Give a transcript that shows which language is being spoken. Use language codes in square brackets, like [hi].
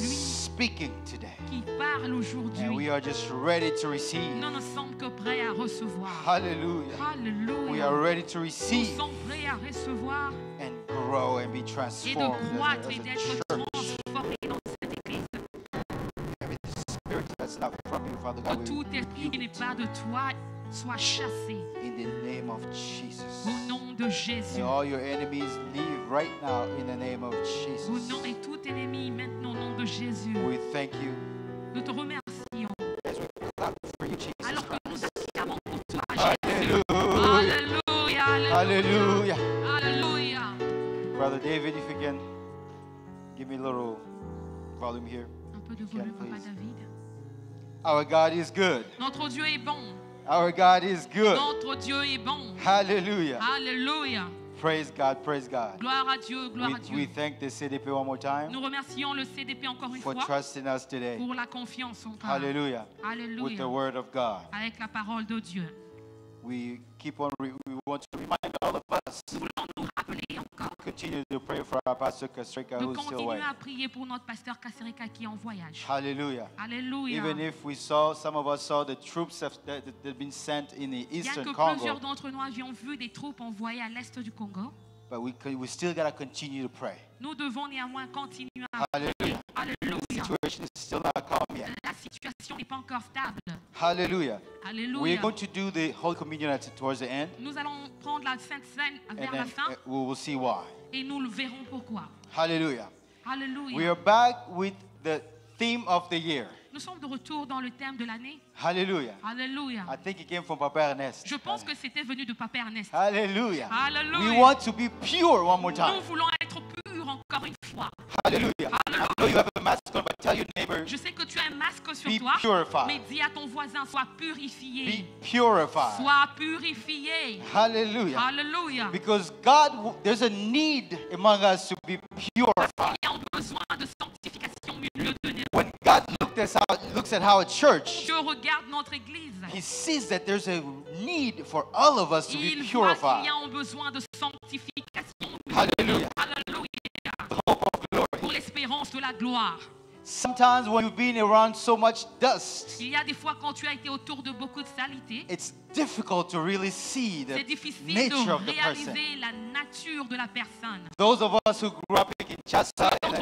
[en] Speaking today. [fr] Qui parle aujourd'hui. [en] And we are just ready to receive. [fr] Nous ne sommes que prêts à recevoir. [en] Hallelujah. [fr] Hallelujah. [en] We are ready to receive. [fr] Nous sommes prêts à recevoir. [en] And grow and be transformed. [fr] Et de croître et d'être transformés dans cette église. [en] Every spirit that's not from you, Father God. [fr] Que tout esprit qui n'est pas de toi soit chassé. [en] In the name of Jesus. [fr] Au nom de Jésus. [en] And all your enemies leave right now in the name of Jesus. [fr] Au nom et tout ennemi maintenant au nom de Jésus. [en] We thank you. [fr] Nous te remercions. [en] As we clap for you, Jesus. [fr] Alors que nous acclamons pour toi, Jésus. [en] Alléluia. [fr] Alléluia. [en] Alléluia. Brother David, if you can give me a little volume here. [fr] Un peu de volume, Papa David. [en] Our God is good. [fr] Notre Dieu est bon. [en] Our God is good. [fr] Notre Dieu est bon. [en] Hallelujah. [fr] Hallelujah. [en] Praise God, praise God. [fr] Gloire à Dieu, gloire à Dieu. [en] We thank the CDP one more time. [fr] Nous remercions le CDP encore une [en] fois. For trusting us today. [fr] Pour la confiance encore. [en] Hallelujah. [fr] Hallelujah. [en] With the word of God. [fr] Avec la parole de Dieu. [en] We want to remind all of us. [fr] Nous voulons nous rappeler encore. [en] Continue to pray for our pastor Kasirika who is still away. [fr] Continue à prier pour notre pasteur Kasirika qui est en voyage. [en] Hallelujah. [fr] Hallelujah. [en] Even if we saw, some of us saw the troops that have been sent in the eastern Congo. [fr] Bien que plusieurs d'entre nous avions vu des troupes envoyées à l'est du Congo. [en] But we still gotta continue to pray. [fr] Nous devons néanmoins continuer à prier. [en] Hallelujah. [fr] Hallelujah. [en] The situation is still not calm yet. [fr] La situation n'est pas encore stable. [en] Hallelujah. [fr] Hallelujah. [en] We're going to do the Holy Communion towards the end. [fr] Nous allons prendre la Sainte Cène vers la fin. [en] We will see why. [fr] Et nous le verrons pourquoi. [en] Hallelujah. [fr] Hallelujah. [en] We are back with the theme of the year. [fr] Nous sommes de retour dans le thème de l'année. [en] Hallelujah. [fr] Hallelujah. [en] I think it came from Papa Ernest. [fr] Je pense que c'était venu de Papa Ernest. [en] Hallelujah. [fr] Hallelujah. [en] We want to be pure one more time. [fr] Nous voulons être purs encore une fois. [en] Hallelujah. [fr] Hallelujah. [en] I know you have a mask on, but tell your neighbor. [fr] Je sais que tu as un masque sur [en] be [fr] toi. [en] Be purified. [fr] Mais dis à ton voisin, sois purifié. [en] Be purified. [fr] Sois purifié. [en] Hallelujah. [fr] Hallelujah. [en] Because God, there's a need among us to be purified. [fr] Parce qu'il y a besoin de sanctification au milieu de nous. [en] When God looks at how a church, [fr] je regarde notre église. [en] He sees that there's a need for all of us to [fr] il [en] be purified. [fr] Voit qu'il y a un besoin de sanctification. [en] Hallelujah. [fr] Hallelujah. [en] The hope of glory. [fr] Pour l'espérance de la gloire. [en] Sometimes when you've been around so much dust, [fr] il y a des fois quand tu as été autour de beaucoup de saleté, [en] it's difficult to really see the nature of the person. [fr] C'est difficile de réaliser la nature de la personne. [en] Those of us who grew up in Kinshasa,